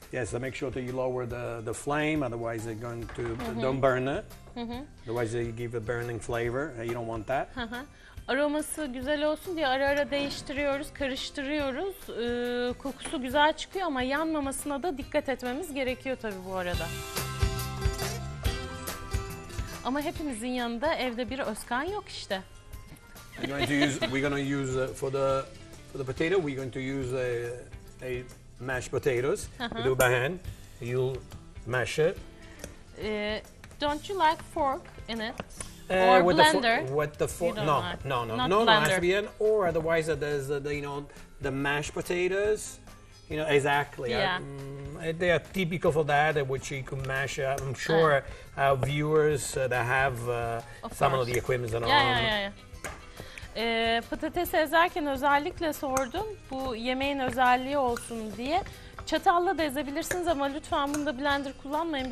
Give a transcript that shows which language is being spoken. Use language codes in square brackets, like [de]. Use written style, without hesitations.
[en] Yes, so make sure that you lower the flame, otherwise they're going to... Mm-hmm. Don't burn it. Mm-hmm. Otherwise you give a burning flavor. You don't want that. [tr] Aroması güzel olsun diye ara ara değiştiriyoruz, karıştırıyoruz. Kokusu güzel çıkıyor ama yanmamasına da dikkat etmemiz gerekiyor tabii bu arada. Ama hepimizin yanında evde bir Özkan yok işte. [en] We're going to use for the potato, we're going to use a mashed potatoes. You do by hand. You'll mash it. Don't you like fork in it? Or with blender? No, not blender. Or otherwise, there's the mashed potatoes. You know exactly. Yeah. They are typical for that, which you can mash. I'm sure our viewers that have of the equipment and all. [tr] Patates ezerken özellikle sordum bu yemeğin özelliği olsun diye. Çatalla da ezebilirsiniz ama lütfen bunda blender kullanmayın.